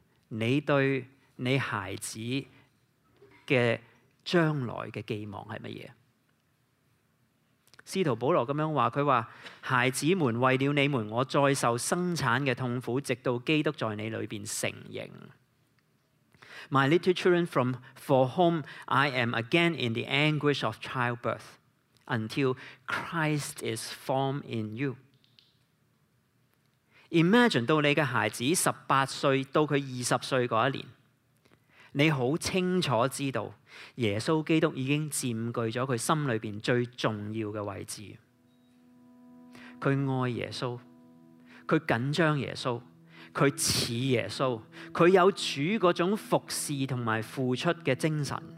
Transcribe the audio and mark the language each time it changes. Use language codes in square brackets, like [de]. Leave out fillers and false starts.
[zh] 你对你孩子的将来的寄望是什么？司徒保罗这样说，他说孩子们，为了你们，我再受生产的痛苦，直到基督在你里面成形。 [en] My little children from for whom I am again in the anguish of childbirth until Christ is formed in you。 [zh] Imagine 到你的孩子十八岁到他二十岁那一年，你很清楚知道耶稣基督已经占据了他心里面最重要的位置。他爱耶稣，他紧张耶稣，他似耶稣，他有主那种服侍和付出的精神。